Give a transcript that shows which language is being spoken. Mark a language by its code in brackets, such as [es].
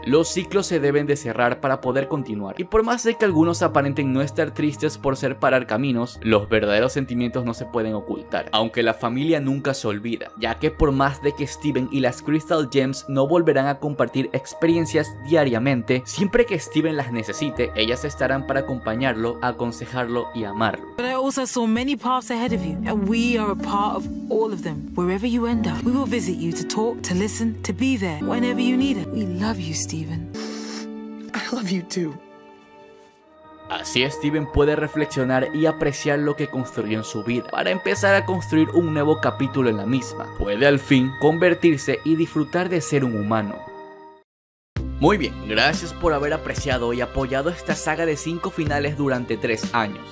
[es] Los ciclos se deben de cerrar para poder continuar. Y por más de que algunos aparenten no estar tristes por separar caminos, los verdaderos sentimientos no se pueden ocultar. Aunque la familia nunca se olvida, ya que por más de que Steven y las Crystal Gems no volverán a compartir experiencias diariamente, siempre que Steven las necesite, ellas estarán para acompañarlo, aconsejarlo y amarlo. [en] But I also saw many paths ahead of you, and we are a part of all of them. Wherever you end up, we will visit you to talk, to listen, to be there whenever you need it. We love you, Steven. I love you too. [es] Así Steven puede reflexionar y apreciar lo que construyó en su vida, para empezar a construir un nuevo capítulo en la misma. Puede al fin convertirse y disfrutar de ser un humano. Muy bien, gracias por haber apreciado y apoyado esta saga de 5 finales durante 3 años.